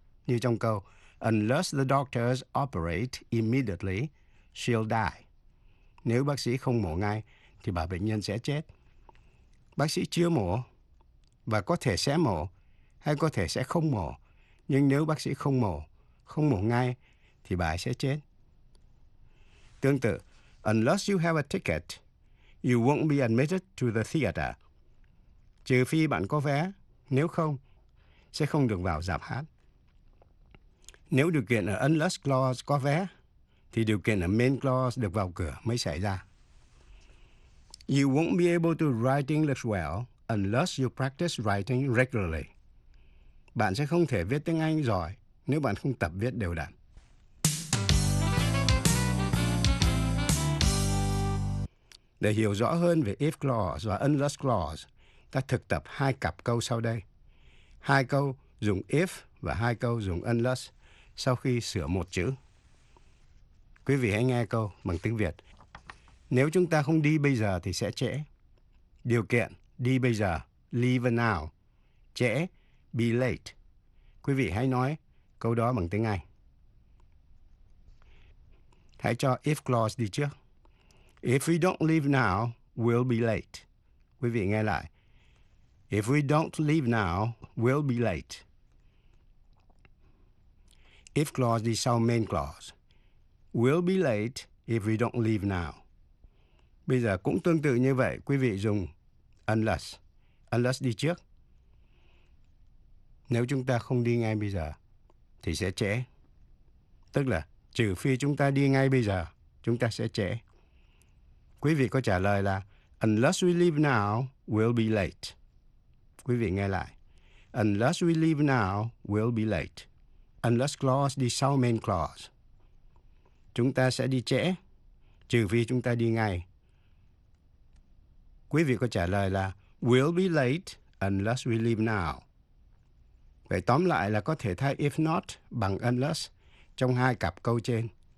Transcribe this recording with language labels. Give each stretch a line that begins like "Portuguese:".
Vietnamese: Như trong câu,
English: unless the doctors operate immediately, she'll die.
Vietnamese: Nếu bác sĩ không mổ ngay, thì bà bệnh nhân sẽ chết. Bác sĩ chưa mổ, và có thể sẽ mổ, hay có thể sẽ không mổ. Nhưng nếu bác sĩ không mổ ngay, thì bà ấy sẽ chết. Tương tự,
English: unless you have a ticket, you won't be admitted to the theater.
Vietnamese: Trừ phi bạn có vé, nếu không, sẽ không được vào rạp hát. Nếu điều kiện ở Unless Clause có vé, thì điều kiện ở Main Clause được vào cửa mới xảy ra.
English: You won't be able to write English well unless you practice writing regularly.
Vietnamese: Bạn sẽ không thể viết tiếng Anh giỏi nếu bạn không tập viết đều đặn. Để hiểu rõ hơn về If Clause và Unless Clause, ta thực tập hai cặp câu sau đây. Hai câu dùng If và hai câu dùng Unless sau khi sửa một chữ. Quý vị hãy nghe câu bằng tiếng Việt. Nếu chúng ta không đi bây giờ thì sẽ trễ. Điều kiện đi bây giờ,
English: leave now.
Vietnamese: Trễ,
English: be late.
Vietnamese: Quý vị hãy nói câu đó bằng tiếng Anh. Hãy cho If Clause đi trước.
English: If we don't leave now, we'll be late.
Vietnamese: Quý vị nghe lại.
English: If we don't leave now, we'll be late. If clause
Vietnamese: đi sau
English: main clause. We'll be late if we don't leave now.
Vietnamese: Bây giờ cũng tương tự như vậy, quý vị dùng unless. Unless đi trước. Nếu chúng ta không đi ngay bây giờ, thì sẽ trễ. Tức là trừ phi chúng ta đi ngay bây giờ, chúng ta sẽ trễ. Quý vị có trả lời là
English: unless we leave now, we'll be late.
Vietnamese: Quý vị nghe lại.
English: Unless we leave now, we'll be late. Unless clause
Vietnamese: đi sau
English: main clause.
Vietnamese: Chúng ta sẽ đi trễ, trừ phi chúng ta đi ngay. Quý vị có trả lời là
English: we'll be late unless we leave now.
Vietnamese: Vậy tóm lại là có thể thay if not bằng unless trong hai cặp câu trên.